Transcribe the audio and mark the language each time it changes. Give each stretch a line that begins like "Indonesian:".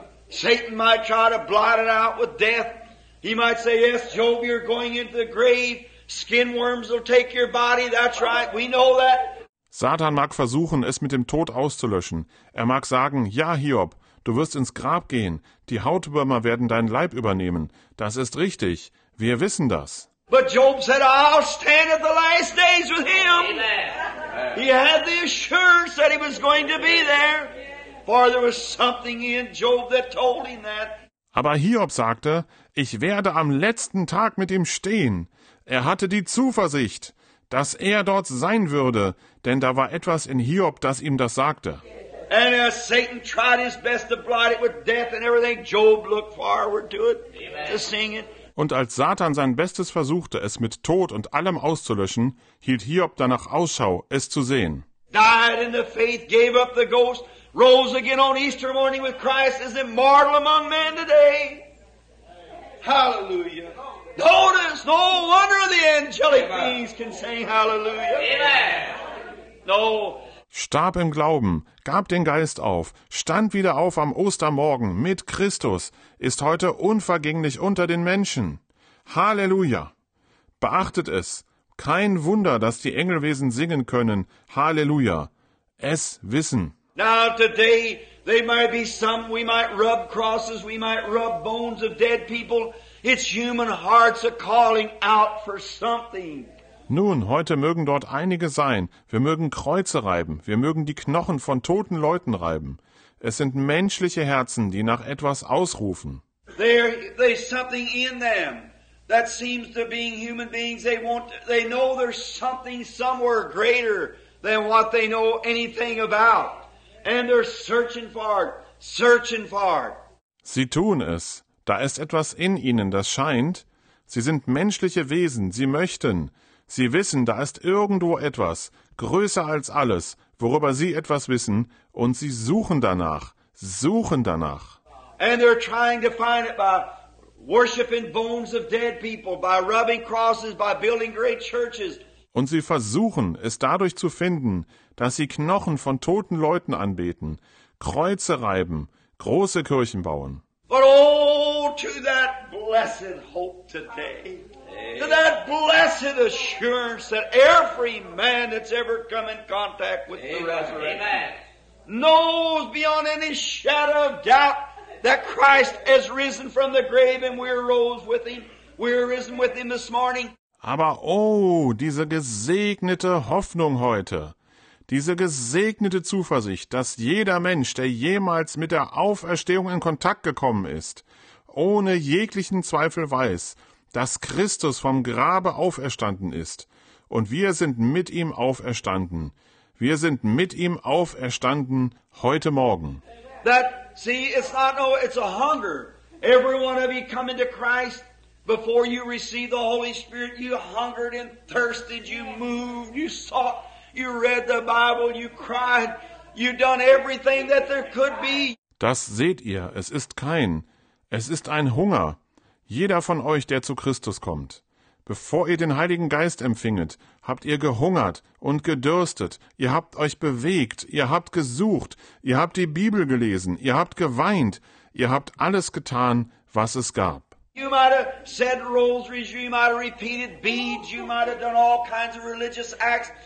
English: Satan might try to blot it out with death. He might say, yes, Job, you're going into the grave. Skin worms will take your body. That's right, we know that.
German: Satan mag versuchen, es mit dem Tod auszulöschen. Er mag sagen, ja, Hiob, du wirst ins Grab gehen. Die Hautwürmer werden deinen Leib übernehmen. Das ist richtig. Wir wissen das.
English: But Job said, I'll stand at the last days with him. He had the assurance that he was going to be there. For there was something in Job that told him that.
German: Aber Hiob sagte, ich werde am letzten Tag mit ihm stehen. Er hatte die Zuversicht, dass er dort sein würde, denn da war etwas in Hiob, das ihm das sagte.
English: And as Satan tried his best to blot it with death and everything, Job looked forward to it, to seeing it.
German: Und als Satan sein Bestes versuchte, es mit Tod und allem auszulöschen, hielt Hiob danach Ausschau, es zu sehen.
English: Died in the faith, gave up the ghost, rose again on Easter morning with Christ, is immortal among men today. Hallelujah. Notice, no wonder the angelic beings can sing hallelujah. Amen. No.
German: Starb im Glauben, gab den Geist auf, stand wieder auf am Ostermorgen mit Christus, ist heute unvergänglich unter den Menschen. Halleluja! Beachtet es, kein Wunder, dass die Engelwesen singen können. Halleluja! Es wissen.
English: Now today, there might be some, we might rub crosses, we might rub bones of dead people. It's human hearts are calling out for something.
German: Nun, heute mögen dort einige sein, wir mögen Kreuze reiben, wir mögen die Knochen von toten Leuten reiben. Es sind menschliche Herzen, die nach etwas ausrufen.
English: There's something in them that seems to be human beings. They know there's something somewhere greater than what they know anything about. And they're searching for it, searching for it.
German: Sie tun es. Da ist etwas in ihnen, das scheint. Sie sind menschliche Wesen, sie möchten. Sie wissen, da ist irgendwo etwas, größer als alles, worüber sie etwas wissen, und sie suchen danach, suchen danach.
English: And they're trying to find it by worshiping bones of dead people, by rubbing crosses, by building great churches.
German: Und sie versuchen, es dadurch zu finden, dass sie Knochen von toten Leuten anbeten, Kreuze reiben, große Kirchen bauen.
English: But oh, to that blessed hope today. To that blessed assurance that every man that's ever come in contact with Amen. The resurrection knows beyond any shadow of doubt that Christ has risen from the grave and we're rose with him. We're risen with him this morning.
German: Aber oh, diese gesegnete Hoffnung heute, diese gesegnete Zuversicht, dass jeder Mensch, der jemals mit der Auferstehung in Kontakt gekommen ist, ohne jeglichen Zweifel weiß, dass Christus vom Grabe auferstanden ist und wir sind mit ihm auferstanden. Wir sind mit ihm auferstanden heute Morgen.
English: That, see, it's not, no, it's a hunger. Every one of you come into Christ before you receive the Holy Spirit, you hungered and thirsted, you moved, you sought, you read the Bible, you cried, You've done everything that there could be.
German: Das seht ihr, es ist kein, es ist ein Hunger. Jeder von euch, der zu Christus kommt. Bevor ihr den Heiligen Geist empfinget, habt ihr gehungert und gedürstet, ihr habt euch bewegt, ihr habt gesucht, ihr habt die Bibel gelesen, ihr habt geweint, ihr habt alles getan, was es gab.
English: You might have said rosaries, you might have repeated beads, you might have done all kinds of religious acts.